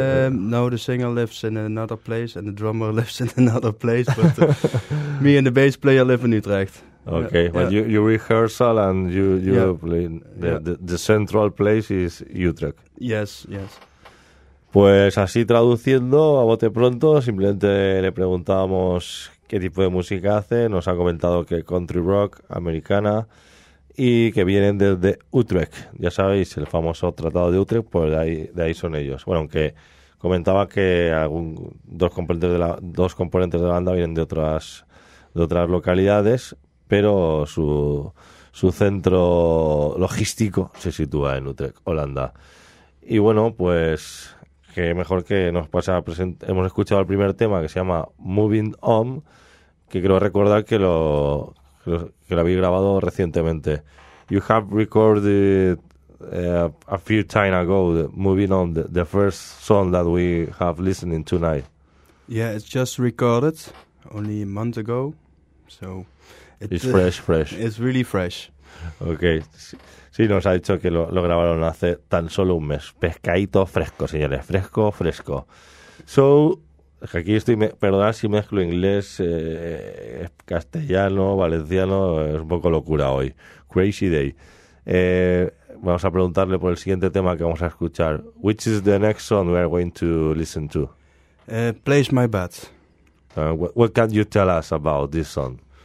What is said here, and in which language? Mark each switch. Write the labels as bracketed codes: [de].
[en] No, the singer lives in another place and the drummer lives in another place, but me and the bass player live in Utrecht. Okay, but you rehearsal and you play the central place is Utrecht. Yes, yes. [es] Pues así traduciendo a bote pronto, simplemente le preguntábamos qué tipo de música hace, nos ha comentado que country rock, americana, y que vienen desde Utrecht. Ya sabéis, el famoso Tratado de Utrecht, pues de ahí son ellos. Bueno, aunque comentaba que dos componentes de la banda vienen de otras localidades, pero su centro logístico se sitúa en Utrecht, Holanda. Y bueno, pues qué mejor que nos pase a presentar. Hemos escuchado el primer tema, que se llama Moving On, que creo recordar que lo habéis grabado recientemente. [en] You have recorded a few time ago, Moving On, the first song that we have listening tonight. Yeah, it's just recorded only a month ago, so it's fresh. It's really fresh. Okay. [es] Sí, nos ha dicho que lo grabaron hace tan solo un mes. Pescadito fresco, señores. Fresco, fresco. So, aquí estoy, perdonad si mezclo inglés, castellano, valenciano, es un poco locura hoy. [en] Crazy day. [es] Vamos a preguntarle por el siguiente tema que vamos a escuchar. [en] Which is the next song we are going to listen to? Place My Bets. What can you tell us about this song?